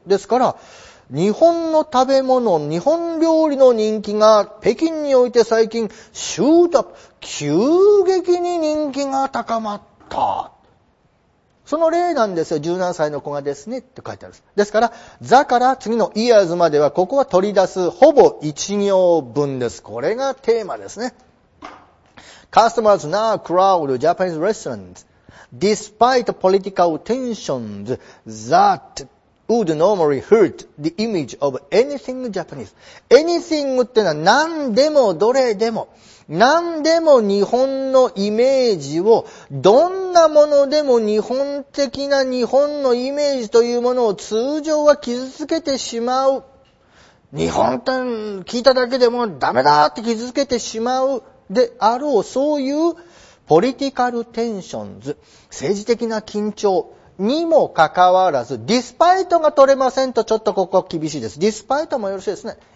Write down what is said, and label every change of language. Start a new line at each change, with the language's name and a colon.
Japanese: ですから、日本の食べ物、日本料理の人気が北京において最近シュートアップ、急激に人気が高まった。その例なんですよ。 17歳の子がですねって書いてあるんです。ですから、ザから次のイヤーズまではここは取り出すほぼ1行分です。これがテーマですね。
English: Customers now crowd Japanese restaurants despite political tensions that would normally hurt the image of anything Japanese.
Japanese: Anything ってのは何でもどれでも。何でも日本のイメージを、どんなものでも日本的な日本のイメージというものを通常は傷つけてしまう。日本って聞いただけでもダメだって傷つけてしまうであろう、そういうポリティカルテンションズ、政治的な緊張にもかかわらず、ディスパイトが取れませんとちょっとここ厳しいです。ディスパイトもよろしいですね。